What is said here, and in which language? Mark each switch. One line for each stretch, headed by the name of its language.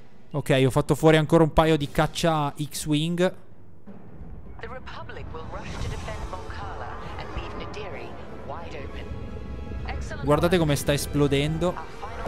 Italian: Ok, ho fatto fuori ancora un paio di caccia X-Wing.
English: The Republic will rush to defend Moncala and leave Nadiri wide open.
Italian: Guardate come sta esplodendo.